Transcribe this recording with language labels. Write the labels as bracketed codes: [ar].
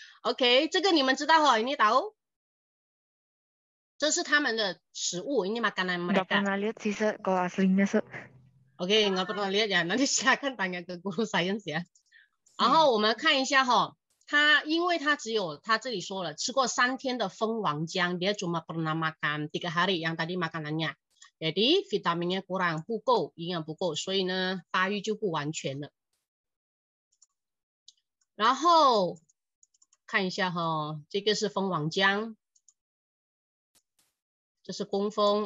[zh] Okay, 这个你们知道哈，你懂。这是他们的食物， [id] ini makanan Nggak pernah lihat sih se, kalau aslinya se. Oke, nggak pernah lihat ya. Nanti silakan tanya ke guru sains ya. [zh] 然后我们看一下哈，他因为他只有他这里说了吃过三天的蜂王浆， [id] dia cuma pernah makan tiga hari yang tadi makanannya, jadi vitaminnya kurang, [zh] 不够，营养不够，所以呢发育就不完全了。然后看一下哈，这个是蜂王浆，这是工蜂。